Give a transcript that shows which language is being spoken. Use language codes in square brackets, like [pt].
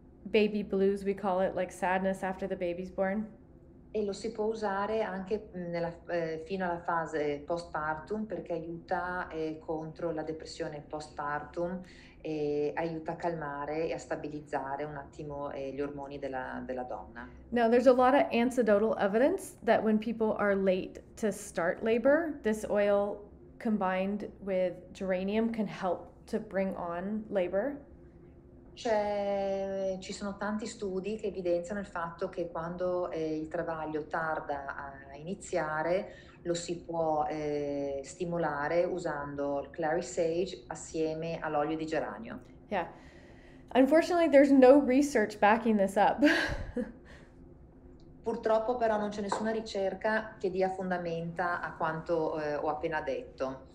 [en] baby blues, we call it, like sadness after the baby's born. [it] E lo si può usare anche nella, fino alla fase postpartum, perché aiuta contro la depressione postpartum e aiuta a calmare e a stabilizzare un attimo gli ormoni della, della donna. [en] Now, there's a lot of anecdotal evidence that when people are late to start labor, this oil combined with geranium can help to bring on labor. [it] Ci sono tanti studi che evidenziano il fatto che quando il travaglio tarda a iniziare, lo si può stimolare usando il Clary Sage assieme all'olio di geranio. [en] Yeah. Unfortunately, there's no research backing this up. [it] Purtroppo però non c'è nessuna ricerca che dia fondamenta a quanto ho appena detto.